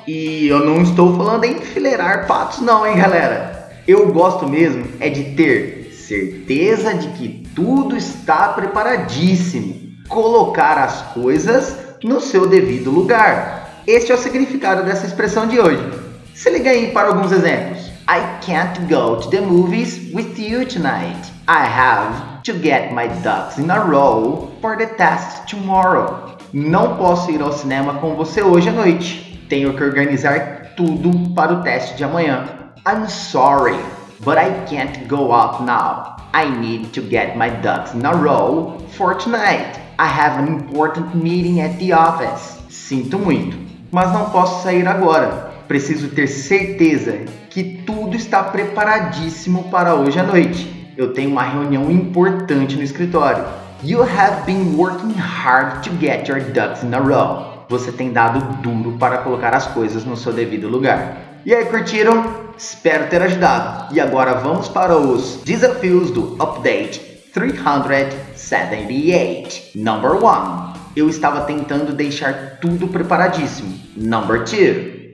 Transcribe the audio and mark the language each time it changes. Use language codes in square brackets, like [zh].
[pt] E eu não estou falando em enfileirar patos não, hein, galera. Eu gosto mesmo é de ter certeza de que tudo está preparadíssimo. Colocar as coisas no seu devido lugar. Este é o significado dessa expressão de hoje. Se liga aí para alguns exemplos. [en] I can't go to the movies with you tonight. I have to get my ducks in a row for the test tomorrow. [pt] Não posso ir ao cinema com você hoje à noite. Tenho que organizar tudo para o teste de amanhã. [en] I'm sorry, but I can't go out now. I need to get my ducks in a row for tonight. I have an important meeting at the office. [pt] Sinto muito, mas não posso sair agora. Preciso ter certeza que tudo está preparadíssimo para hoje à noite. Eu tenho uma reunião importante no escritório. [en] You have been working hard to get your ducks in a row. [pt] Você tem dado duro para colocar as coisas no seu devido lugar. E aí, curtiram? Espero ter ajudado. E agora vamos para os desafios do Update 378. [en] Number 1. [pt] Eu estava tentando deixar tudo preparadíssimo. [en] Number 2.